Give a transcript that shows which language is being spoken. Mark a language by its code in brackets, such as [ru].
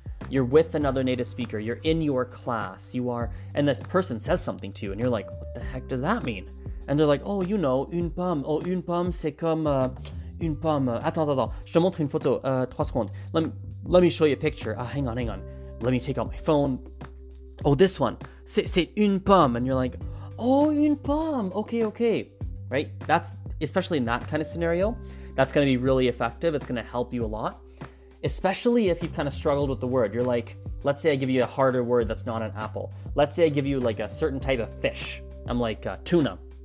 [en] You're with another native speaker, you're in your class, you are, and this person says something to you and you're like, what the heck does that mean? And they're like, oh, you know, une pomme. [fr] Oh, une pomme, c'est comme une pomme. Attends, je te montre une photo, 3 secondes. [en] Let me show you a picture. Hang on. Let me take out my phone. Oh, this one, [fr] c'est une pomme. [en] And you're like, oh, une pomme, okay. Right? That's, especially in that kind of scenario, that's gonna be really effective. It's gonna help you a lot. Especially if you've kind of struggled with the word. You're like, let's say I give you a harder word that's not an apple. Let's say I give you like a certain type of fish. I'm like, tuna.